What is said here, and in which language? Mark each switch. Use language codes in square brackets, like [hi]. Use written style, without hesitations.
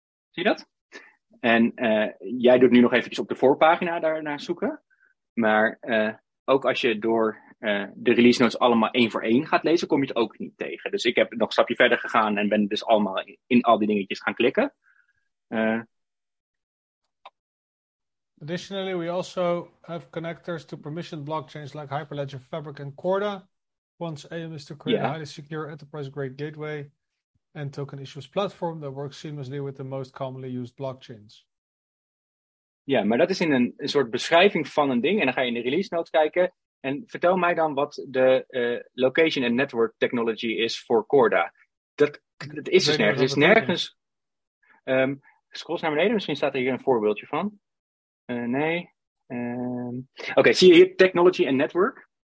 [nl] Zie je dat? En jij doet nu nog eventjes op de voorpagina daarna zoeken. Maar ook als je door de release notes allemaal één voor één gaat lezen, kom je het ook niet tegen. Dus ik heb nog een stapje verder gegaan en ben dus allemaal in al die dingetjes gaan klikken. [en] Additionally, we also have connectors to permissioned blockchains like Hyperledger, Fabric and Corda. One's aim is to create a highly secure enterprise-grade gateway and token issues platform that works seamlessly with the most commonly used blockchains. [nl] Ja, maar dat is in een soort beschrijving van een ding. En dan ga je in de release notes kijken. En vertel mij dan wat de [en] location and network technology [nl] is voor Corda. Dat is dus nergens. Het is nergens. Scroll eens naar beneden. Misschien staat er hier een voorbeeldje van. Nee. Oké, zie je hier [en] technology and network?